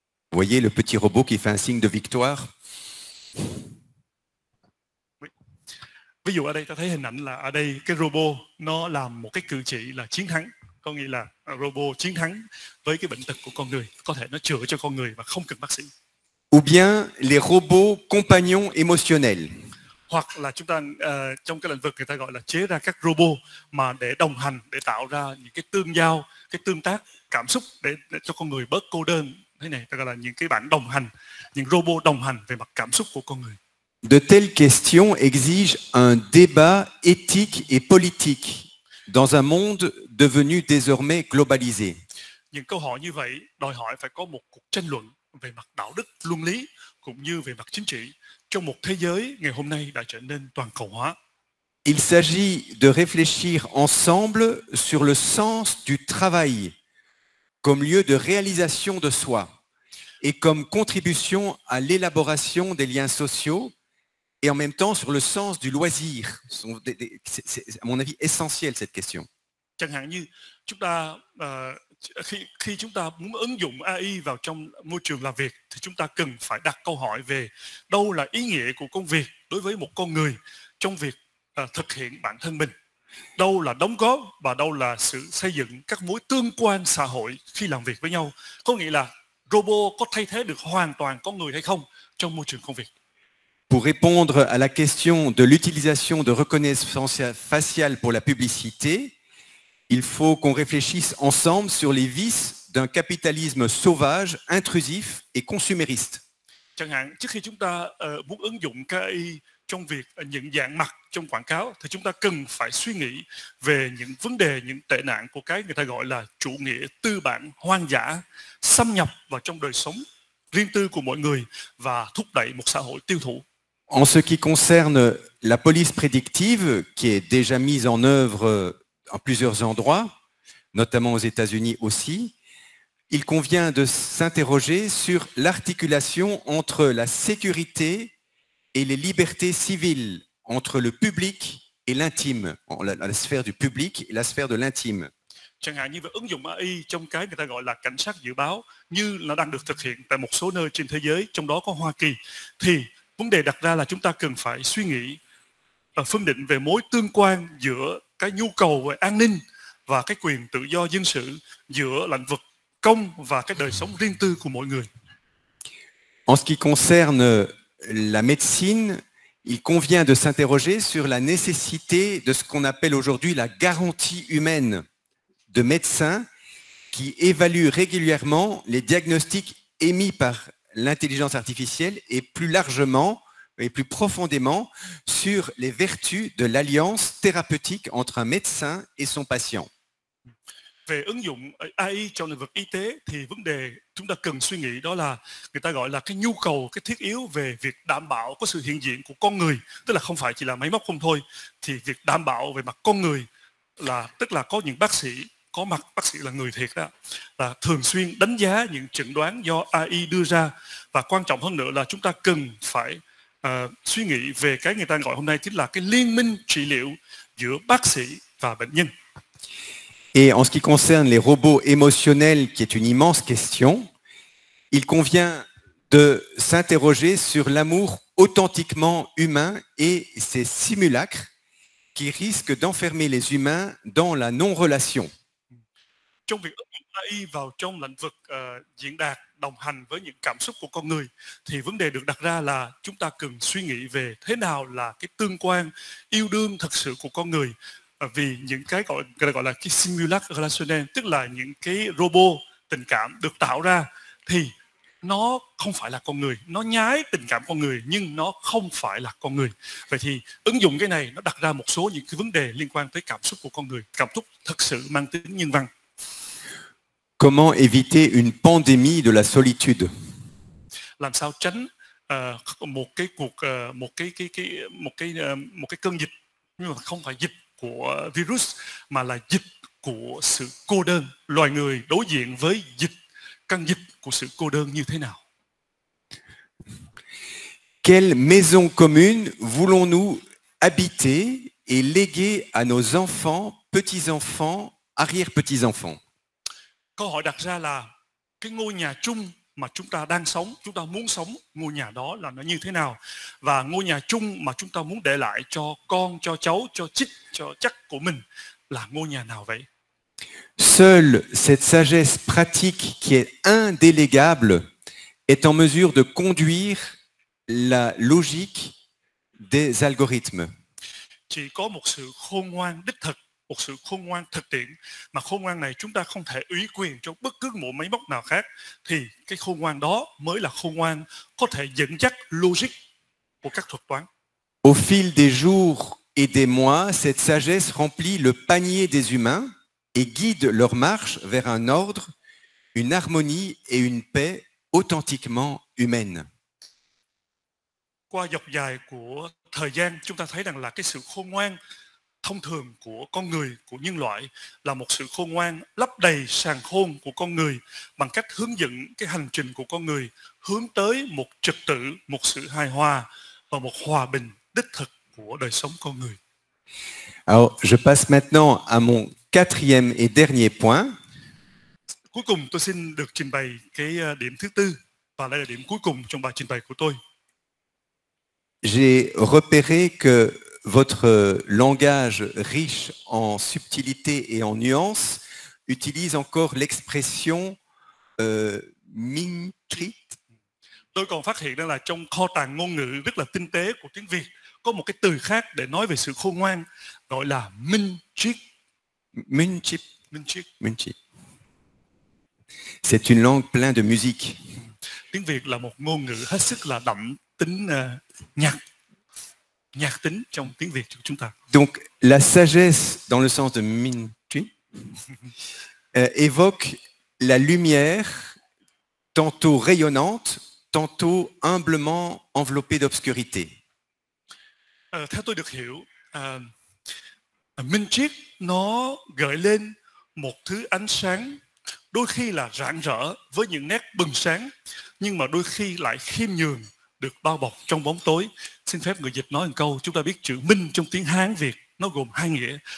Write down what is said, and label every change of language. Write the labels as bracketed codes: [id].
[fr] Voyez le petit robot qui fait un signe de victoire. [vi] Ví dụ ở đây ta thấy hình ảnh là ở đây cái robot nó làm một cái cử chỉ là chiến thắng. Có nghĩa là robot chiến thắng với cái bệnh tật của con người. Có thể nó chữa cho con người mà không cần bác sĩ. [fr] Ou bien les robots compagnons émotionnels. [vi] Hoặc là chúng ta trong cái lĩnh vực người ta gọi là chế ra các robot mà để đồng hành, để tạo ra những cái tương giao, cái tương tác cảm xúc để cho con người bớt cô đơn. Thế này ta gọi là những cái bản đồng hành, những robot đồng hành về mặt cảm xúc của con người. [fr] De telles questions exigent un débat éthique et politique dans un monde devenu désormais globalisé. [vi] Những câu hỏi như vậy đòi hỏi phải có một cuộc tranh luận về mặt đạo đức, luân lý cũng như về mặt chính trị trong một thế giới ngày hôm nay đã trở nên toàn cầu hóa. [fr] Il s'agit de réfléchir ensemble sur le sens du travail comme lieu de réalisation de soi et comme contribution à l'élaboration des liens sociaux et en même temps sur le sens du loisir. C'est à mon avis essentiel cette question. [vi] Chẳng hạn như chúng ta khi chúng ta muốn ứng dụng AI vào trong môi trường làm việc thì chúng ta cần phải đặt câu hỏi về đâu là ý nghĩa của công việc đối với một con người trong việc thực hiện bản thân mình, đâu là đóng góp và đâu là sự xây dựng các mối tương quan xã hội khi làm việc với nhau. Có nghĩa là robot có thay thế được hoàn toàn con người hay không trong môi trường công việc. [fr] Pour répondre à la question de l'utilisation de reconnaissance faciale pour la publicité, il faut qu'on réfléchisse ensemble sur les vices d'un capitalisme sauvage, intrusif et consumériste. [vi] Chẳng hạn, trước khi chúng ta muốn ứng dụng AI trong việc nhận dạng mặt trong quảng cáo thì chúng ta cần phải suy nghĩ về những vấn đề, những tệ nạn của cái người ta gọi là chủ nghĩa tư bản hoang dã xâm nhập vào trong đời sống riêng tư của mọi người và thúc đẩy một xã hội tiêu thụ. [fr] En ce qui concerne la police prédictive qui est déjà mise en œuvre en plusieurs endroits, notamment aux États-Unis aussi, il convient de s'interroger sur l'articulation entre la sécurité et les libertés civiles entre le public et l'intime, la sphère du public et la sphère de l'intime. [vi] Chẳng hạn như về ứng dụng AI trong cái người ta gọi là cảnh sát dự báo, như là đang được thực hiện tại một số nơi trên thế giới, trong đó có Hoa Kỳ, thì vấn đề đặt ra là chúng ta cần phải suy nghĩ và phân định về mối tương quan giữa cái nhu cầu về an ninh và cái quyền tự do dân sự giữa lĩnh vực công và cái đời sống riêng tư của mọi người. [fr] En ce qui concerne la médecine, il convient de s'interroger sur la nécessité de ce qu'on appelle aujourd'hui la garantie humaine de médecins qui évaluent régulièrement les diagnostics émis par l'intelligence artificielle et plus largement et plus profondément sur les vertus de l'alliance thérapeutique entre un médecin et son patient. [vi] Về ứng dụng AI trong lĩnh vực y tế thì vấn đề chúng ta cần suy nghĩ đó là người ta gọi là cái nhu cầu, cái thiết yếu về việc đảm bảo có sự hiện diện của con người, tức là không phải chỉ là máy móc không thôi, thì việc đảm bảo về mặt con người là tức là có những bác sĩ có mặt, bác sĩ là người thiệt đó, là thường xuyên đánh giá những chẩn đoán do AI đưa ra, và quan trọng hơn nữa là chúng ta cần phải suy nghĩ về cái người ta gọi hôm nay chính là cái liên minh trị liệu giữa bác sĩ và bệnh nhân. [fr] Et en ce qui concerne les robots émotionnels, qui est une immense question, il convient de s'interroger sur l'amour authentiquement humain et ses simulacres qui risquent d'enfermer les humains dans la non-relation. [vi] Trong việc ứng dụng AI vào trong lĩnh vực diễn đạt đồng hành với những cảm xúc của con người, thì vấn đề được đặt ra là chúng ta cần suy nghĩ về thế nào là cái tương quan yêu đương thật sự của con người. Vì những cái gọi là cái [fr] simulacre relationnel, [vi] tức là những cái robot tình cảm được tạo ra, thì nó không phải là con người, nó nhái tình cảm con người nhưng nó không phải là con người. Vậy thì ứng dụng cái này nó đặt ra một số những cái vấn đề liên quan tới cảm xúc của con người, cảm xúc thực sự mang tính nhân văn. [fr] Comment éviter une pandémie de la solitude? [vi] Làm sao tránh một cái cơn dịch, nhưng mà không phải dịch của virus mà là dịch của sự cô đơn. Loài người đối diện với dịch, căn dịch của sự cô đơn như thế nào? [fr] Quelle maison commune voulons-nous habiter et léguer à nos enfants, petits-enfants, arrière-petits-enfants? [vi] Câu hỏi đặt ra là cái ngôi nhà chung mà chúng ta đang sống, chúng ta muốn sống, ngôi nhà đó là nó như thế nào? Và ngôi nhà chung mà chúng ta muốn để lại cho con, cho cháu, cho chích, cho chắc của mình là ngôi nhà nào vậy? [fr] Seule cette sagesse pratique qui est indélégable est en mesure de conduire la logique des algorithmes. [vi] Chỉ có một sự khôn ngoan đích thực, một sự khôn ngoan thực tiễn, mà khôn ngoan này chúng ta không thể ủy quyền cho bất cứ một máy móc nào khác, thì cái khôn ngoan đó mới là khôn ngoan có thể dẫn dắt logic của các thuật toán. [fr] Au fil des jours et des mois, cette sagesse remplit le panier des humains et guide leur marche vers un ordre une harmonie et une paix authentiquement humaine. [vi] Qua dọc dài của thời gian, chúng ta thấy rằng là cái sự khôn ngoan thông thường của con người, của nhân loại là một sự khôn ngoan lấp đầy sàn khôn của con người bằng cách hướng dẫn cái hành trình của con người hướng tới một trật tự, một sự hài hòa và một hòa bình đích thực của đời sống con người. [fr] Alors, je passe maintenant à mon quatrième et dernier point. [vi] Cuối cùng, tôi xin được trình bày cái điểm thứ tư và đây là điểm cuối cùng trong bài trình bày của tôi. [fr] J'ai repéré que votre langage riche en subtilité et en nuances utilise encore l'expression minh-trit. [vi] Tôi còn phát hiện là trong kho tàng ngôn ngữ rất là tinh tế của tiếng Việt có một cái từ khác để nói về sự khôn ngoan gọi là minh-trit. Minh-trit. Minh-trit. Minh-trit. [fr] C'est une langue pleine de musique. [vi] Tiếng Việt là một ngôn ngữ hết sức là đậm tính nhạc. Nhạc tính trong tiếng Việt của chúng ta. [fr] Donc, la sagesse, dans le sens de minh-trí, évoque la lumière tantôt rayonnante, tantôt humblement enveloppée d'obscurité. [vi] Theo tôi được hiểu, minh-trí, nó gợi lên một thứ ánh sáng, đôi khi là rạng rỡ với những nét bừng sáng, nhưng mà đôi khi lại khiêm nhường. Được bao bọc trong bóng tối. Xin phép người dịch nói một câu. Chúng ta biết chữ minh trong tiếng Hán Việt nó gồm hai nghĩa.